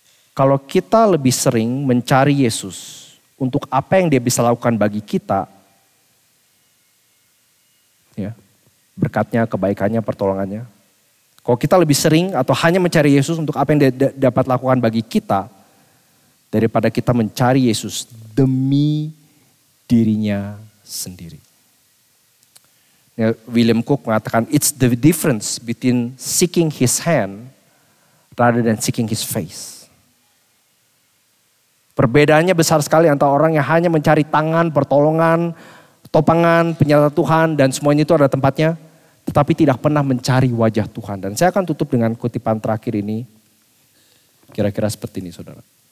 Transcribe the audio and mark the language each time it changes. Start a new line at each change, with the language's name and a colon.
Indonesian: Kalau kita lebih sering mencari Yesus untuk apa yang dia bisa lakukan bagi kita, ya, berkatnya, kebaikannya, pertolongannya. Kalau kita lebih sering atau hanya mencari Yesus untuk apa yang dia dapat lakukan bagi kita, daripada kita mencari Yesus demi dirinya sendiri.
English: William Cook mengatakan, it's the difference between seeking his hand rather than seeking his face.
Indonesian: Perbedaannya besar sekali antara orang yang hanya mencari tangan, pertolongan, topangan, penyertaan Tuhan, dan semuanya itu ada tempatnya, tetapi tidak pernah mencari wajah Tuhan. Dan saya akan tutup dengan kutipan terakhir ini, kira-kira seperti ini, saudara.